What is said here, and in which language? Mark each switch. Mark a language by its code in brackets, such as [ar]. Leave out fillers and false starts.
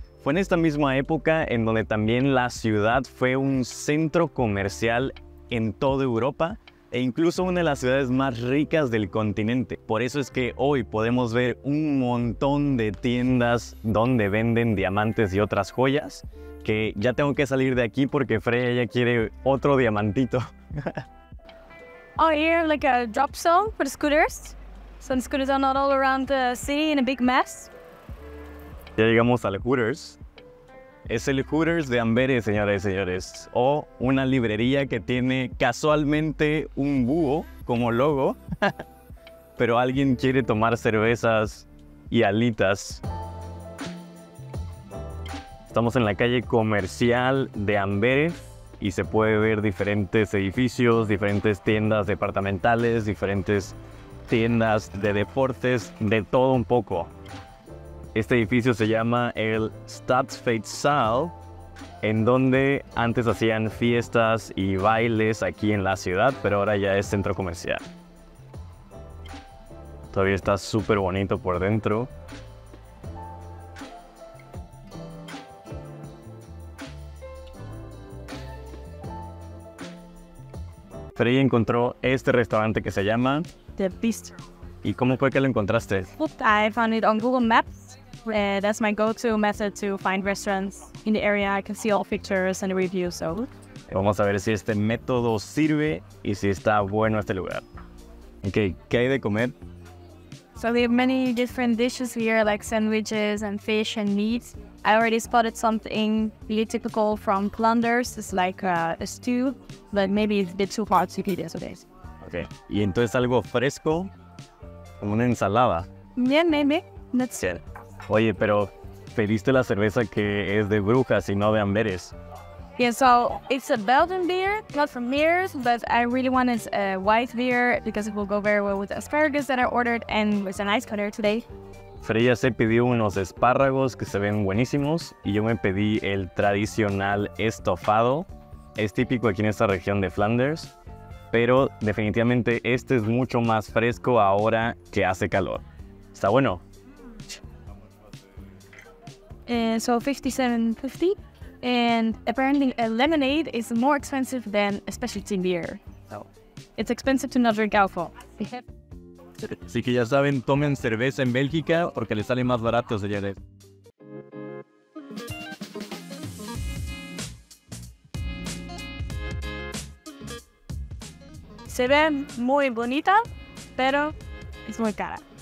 [es] Fue en esta misma época en donde también la ciudad fue un centro comercial en toda Europa e incluso una de las ciudades más ricas del continente. Por eso es que hoy podemos ver un montón de tiendas donde venden diamantes y otras joyas, que ya tengo que salir de aquí porque Freya ya quiere otro diamantito. [en] Oh, here like a drop zone for scooters. Some scooters are not all around the city in a big mess. [es] Ya llegamos al Hooters. Es el Hooters de Amberes, señoras y señores. O una librería que tiene casualmente un búho como logo. Pero alguien quiere tomar cervezas y alitas. Estamos en la calle comercial de Amberes y se puede ver diferentes edificios, diferentes tiendas departamentales, diferentes tiendas de deportes, de todo un poco. Este edificio se llama el Stadsfeestsaal, en donde antes hacían fiestas y bailes aquí en la ciudad, pero ahora ya es centro comercial. Todavía está súper bonito por dentro. Freya encontró este restaurante que se llama [en] The Bistro. [es] ¿Y cómo fue que lo encontraste? [en] I found it on Google Maps. That's my go-to method to find restaurants in the area. I can see all pictures and the reviews, so. [es] Vamos a ver si este método sirve y si está bueno este lugar. Okay, ¿qué hay de comer? [en] So we have many different dishes here, like sandwiches and fish and meat. I already spotted something really typical from Flanders. It's like a stew, but maybe it's a bit too hard to eat this today. [es] Okay, y entonces algo fresco, como una ensalada. [en] Yeah, maybe. That's it. [es] Oye, pero pediste la cerveza que es de Brujas y no de Amberes. [en] Yeah, so it's a Belgian beer, not from Mears, but I really wanted a white beer because it will go very well with the asparagus that I ordered and with a nice color today. [es] Freya se pidió unos espárragos que se ven buenísimos y yo me pedí el tradicional estofado. Es típico aquí en esta región de Flanders, pero definitivamente este es mucho más fresco ahora que hace calor. ¿Está bueno? [en] So $57.50, and apparently a lemonade is more expensive than a specialty beer. So it's expensive to not drink alcohol. [es] Así que ya saben, tomen cerveza en Bélgica porque les sale más barato, señores. Se ve muy bonita, pero es muy cara.